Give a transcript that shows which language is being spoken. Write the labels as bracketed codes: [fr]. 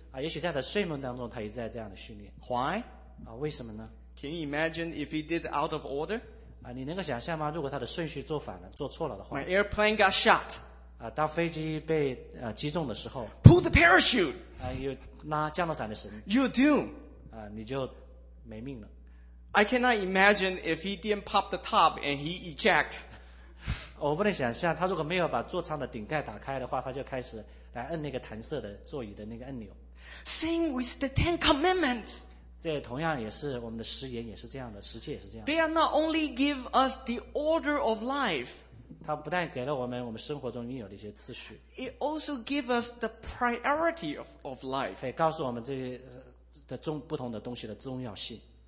[zh] 啊，也许在他的睡梦当中，他一直在这样的训练。 [en] Why? [zh] 啊，为什么呢 [en] ？Can you imagine if he did out of order? [zh] 啊，你能够想象吗？如果他的顺序做反了，做错了的话。 [en] My airplane got shot. [zh] 啊，当飞机被击中的时候。 [en] Pull the parachute. [zh] 啊，又拉降落伞的绳。 [en] You're doomed. [zh] 啊，你就没命了。 [en] I cannot imagine if he didn't pop the top and he eject. [zh] 我不能想象，他如果没有把座舱的顶盖打开的话，他就开始来摁那个弹射的座椅的那个按钮。 [en] Same with the Ten Commandments. [zh] 这同样也是我们的食言也是这样的，食戒也是这样的。 [en] They are not only give us the order of life. [zh] 他不但给了我们生活中应有的一些秩序。 [en] It also give us the priority of life. [zh] 也告诉我们这些的重不同的东西的重要性。